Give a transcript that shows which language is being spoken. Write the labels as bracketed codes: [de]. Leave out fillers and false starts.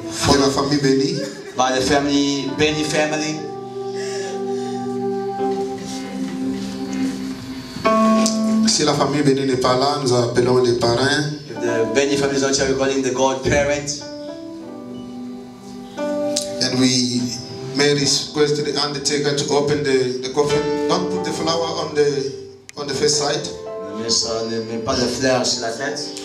[en] By the family, Benny family. [fr] Si la famille Benny n'est pas là, nous appelons les parents. [en] If the Benny family is not here, we're calling the godparents. And we, Mary's requested the undertaker to open the coffin. Don't put the flower on the first side. [fr] Ne mets pas de fleurs sur la tête.